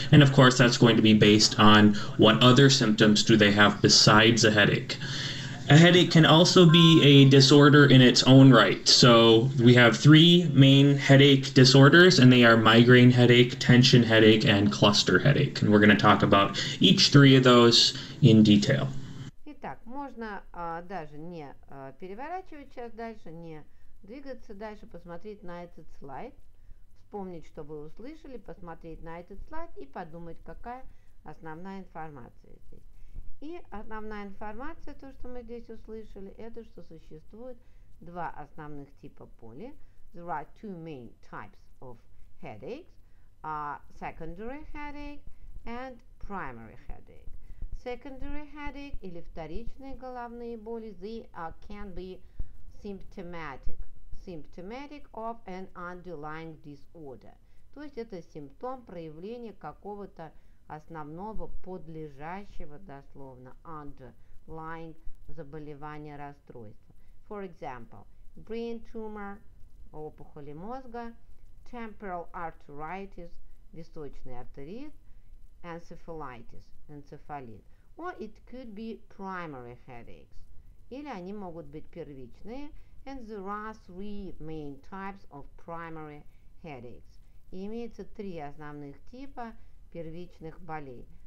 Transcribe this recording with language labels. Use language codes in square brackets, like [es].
[en] And of course, that's going to be based on what other symptoms do they have besides a headache. A headache can also be a disorder in its own right. So we have three main headache disorders, and they are migraine headache, tension headache, and cluster headache. And we're going to talk about each three of those in detail. [ru] Итак, можно даже не переворачивать сейчас дальше, не двигаться дальше, посмотреть на этот слайд, вспомнить, что вы услышали, посмотреть на этот слайд и подумать, какая основная информация здесь. И основная информация, то, что мы здесь услышали, это что существует два основных типа боли. [en] There are two main types of headaches, secondary headache and primary headache. Secondary headache [ru] или вторичные головные боли, [en] they can be symptomatic of an underlying disorder. [ru] То есть это симптом проявления какого-то основного подлежащего дословно underlying заболевания расстройства. [en] For example, brain tumor, [ru] опухоли мозга, [en] temporal arteritis, [ru] височный артерит, энцефалит. [en] Or it could be primary headaches. [ru] Или они могут быть первичные. [en] And there are three main types of primary headaches. [ru] И имеется три основных типа первичных болей.